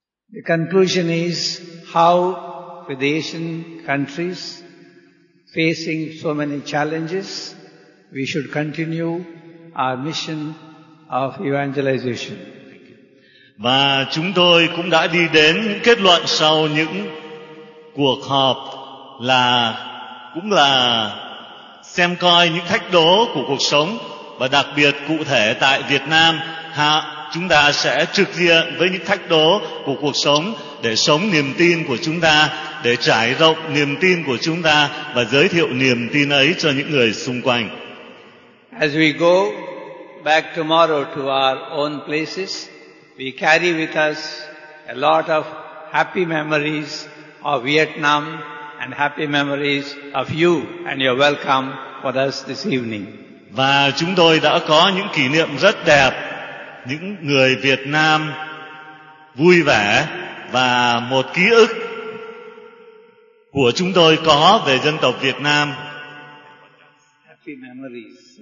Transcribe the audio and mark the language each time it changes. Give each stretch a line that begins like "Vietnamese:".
English: The conclusion is how with the Asian countries facing so many challenges, we should continue our mission of evangelization.
Vietnamese: Và chúng tôi cũng đã đi đến kết luận sau những cuộc họp là cũng là xem coi những thách đố của cuộc sống, và đặc biệt cụ thể tại Việt Nam, chúng ta sẽ trực diện với những thách đố của cuộc sống để sống niềm tin của chúng ta, để trải rộng niềm tin của chúng ta và giới thiệu niềm tin ấy cho những người xung quanh.
English: As we go back tomorrow to our own places, we carry with us a lot of happy memories of Vietnam and happy memories of you and your welcome for us this evening.
Vietnamese: Và chúng tôi đã có những kỷ niệm rất đẹp, những người Việt Nam vui vẻ, và một ký ức của chúng tôi có về dân tộc Việt Nam.
English: Happy memories.